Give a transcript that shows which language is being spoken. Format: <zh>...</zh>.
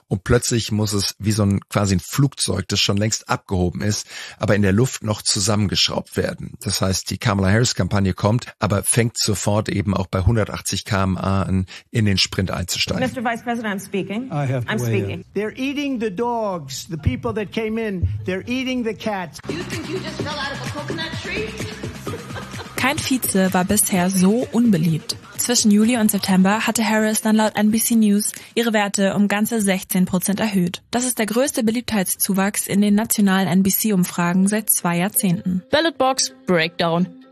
<de>und plötzlich muss es wie so ein quasi ein Flugzeug, das schon längst abgehoben ist, aber in der Luft noch zusammengeschraubt werden. Das heißt, die Kamala Harris-Kampagne kommt, aber fängt sofort eben auch bei 180 km/h an, in den Sprint einzusteigen.</de> <en>Mr. Vice President, I'm speaking. I have to I'm speaking. They're eating the dogs, the people that came in. They're eating the cats. You think you just fell out of a coconut tree?</en> <de>Kein Vize war bisher so unbeliebt. Zwischen Juli und September hatte Harris dann laut NBC News ihre Werte um ganze 16% erhöht. Das ist der größte Beliebtheitszuwachs in den nationalen NBC-Umfragen seit 2 Jahrzehnten.</de> <en>Ballotbox Breakdown.</en>